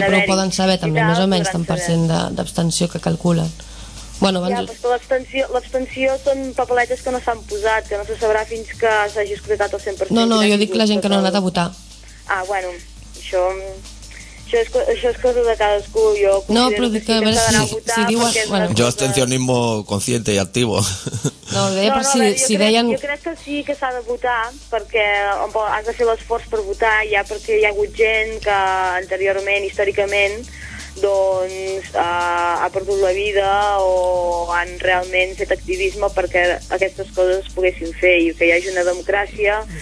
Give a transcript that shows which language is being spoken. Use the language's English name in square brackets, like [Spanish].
[Catalan] Sí, però ho poden saber també, més o menys, tant percent d'abstenció que calculen. Bueno, abans... Ja, però l'abstenció són papeletes que no s'han posat, que no se sabrà fins que s'hagi escrutat el 100%. No, jo dic la gent que no ha anat a votar. Ah, bueno, això... Això és cosa de cadascú. Jo no, però que a veure si diuen... Bueno. Jo [Spanish] abstencionismo consciente y activo. [Catalan] No, ho deia, no, per si, veure, si deien... Jo crec que sí que s'ha de votar, perquè has de fer l'esforç per votar, ja, perquè hi ha hagut gent que anteriorment, històricament, doncs ha perdut la vida o han realment fet activisme perquè aquestes coses es poguessin fer i que hi hagi una democràcia.